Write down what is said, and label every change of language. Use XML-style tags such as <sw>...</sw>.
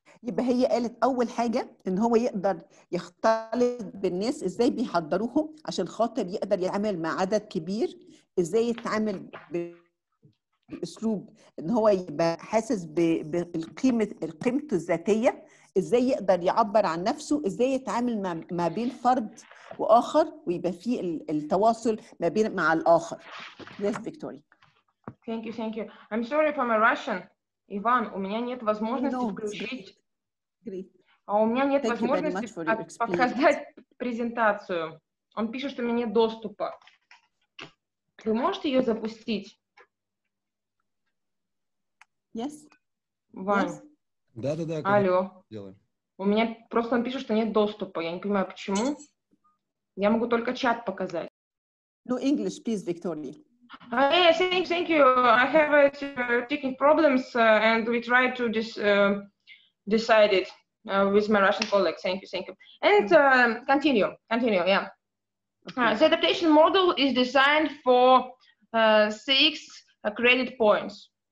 <ar>يبقى هي قالت أول حاجة إن هو يقدر يختلط بالناس إزاي بيحضروهم عشان خاطر يقدر يتعامل مع عدد كبير إزاي يتعامل بأسلوب إن هو يبقى حاسس بالقيمة قيمته الذاتية إزاي يقدر يعبر عن نفسه إزاي يتعامل ما بين فرد وآخر ويبقى فيه التواصل ما بين مع الآخر.</ar> <en>Yes, Victoria. Thank you. I'm sorry if I'm a Russian.</en> <ru>Иван, у меня нет возможности включить. А у меня нет возможности показать презентацию. Он пишет, что у меня нет доступа. Вы можете ее запустить?</ru> <en>Yes.</en> <ru>Ваня.</ru> <en>Yes.</en> <ru>Да. Алло. У меня просто он пишет, что нет доступа. Я не понимаю, почему. Я могу только чат показать.</ru> <en>No English, please, Victoria. Yes, thank you. I have technical problems and we try to decide it with my Russian colleagues. Thank you. And continue, yeah. Okay. The adaptation model is designed for 6 credit points.</en>